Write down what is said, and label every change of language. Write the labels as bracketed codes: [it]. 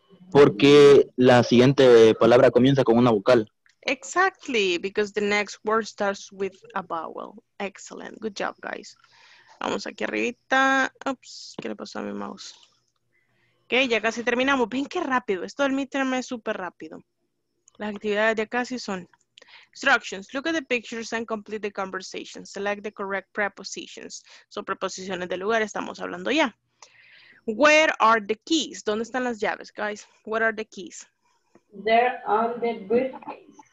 [es] Porque la siguiente palabra comienza con una vocal. [en] Exactly, because the next word starts with a vowel. Excellent, good job, guys. [es] Vamos aquí arribita. Ups, ¿qué le pasó a mi mouse? Ok, ya casi terminamos. Ven qué rápido, esto del midterm es súper rápido. Las actividades ya casi son... Instructions. [en] Look at the pictures and complete the conversation. Select the correct prepositions. [es] So, preposiciones de lugar, estamos hablando ya. [en] Where are the keys? [es] ¿Dónde están las llaves, [en] guys? Where are the keys? They're on the briefcase.